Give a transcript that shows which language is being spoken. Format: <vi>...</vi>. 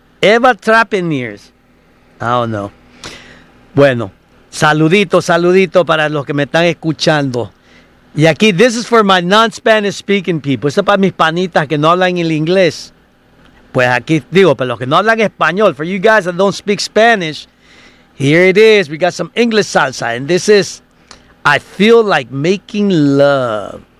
<es>Eva Trapeneers. Ah, no. Bueno, saludito para los que me están escuchando. Y aquí,</es> <en>this is for my non-Spanish speaking people.</en> <es>Esto es para mis panitas que no hablan el inglés. Pues aquí digo, para los que no hablan español.</es> <en>For you guys that don't speak Spanish, here it is. We got some English salsa. And this is, I feel like making love.</en>